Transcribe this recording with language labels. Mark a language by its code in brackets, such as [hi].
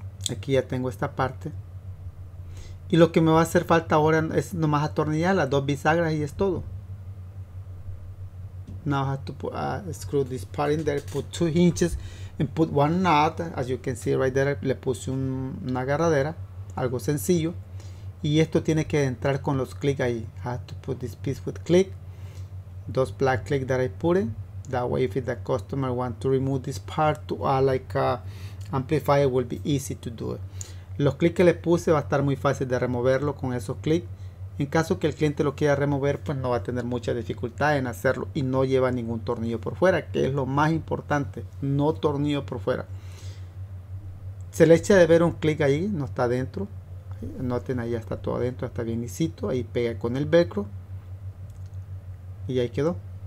[es] Aquí ya tengo esta parte. Y lo que me va a hacer falta ahora es nomás atornillar las dos bisagras y es todo. [en] Now I have to put, screw this part in there, put two hinges and put one knot. As you can see right there, [es] le puse una agarradera, algo sencillo. Y esto tiene que entrar con los clics ahí. [en] I have to put this piece with click. Those black clicks that I put in. That way if the customer wants to remove this part to like amplifier, will be easy to do it. [es] Los clics que le puse va a estar muy fácil de removerlo con esos clics. En caso que el cliente lo quiera remover, pues no va a tener mucha dificultad en hacerlo y no lleva ningún tornillo por fuera, que es lo más importante, no tornillo por fuera. Se le echa de ver un clic ahí, no está adentro. Noten, ahí está todo adentro, está bien lisito, ahí pega con el velcro y ahí quedó.